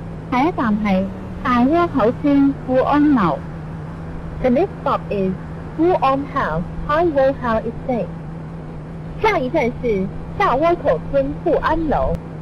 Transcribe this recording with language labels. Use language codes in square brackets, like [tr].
[zh] 下一站是大窝口村富安楼。 [en] The next stop is 富安 House Highway House Estate. [zh] 下一站是大窝口村富安楼。